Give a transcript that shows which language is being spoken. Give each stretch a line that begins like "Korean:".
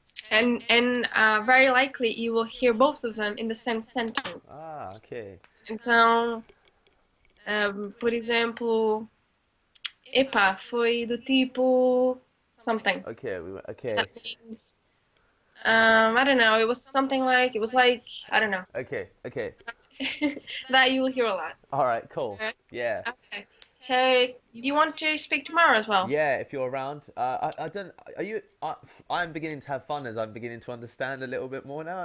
English: And very likely you will hear both of them in the same sentence. Ah, okay.
Portuguese: Então, por exemplo, epa, foi do tipo something.
English: Okay. That means, I don't know, it was something like, I don't know, Okay. that you will hear a lot. All right, cool. Right. Yeah. Okay. So, do you want to speak tomorrow as well? Yeah, if you're around. I don't are you I'm beginning to have fun as I'm beginning to understand a little bit more now.